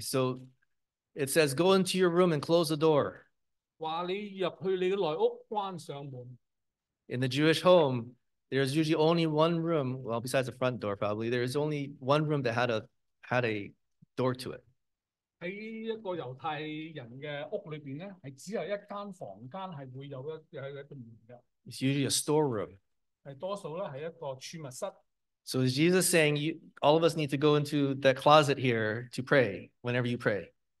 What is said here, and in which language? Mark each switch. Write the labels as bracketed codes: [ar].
[en] so it says, go into your room and close the door. In the Jewish home, there's usually only one room, well, besides the front door probably, there's only one room that had a door to it. [zh] 在一個猶太人的屋裡面呢, 是只有一間房間是會有一個門的。 [en] It's usually a storeroom. [zh] 是多數呢,是一個儲物室。 [en] So is Jesus saying, you, all of us need to go into that closet here to pray whenever you pray?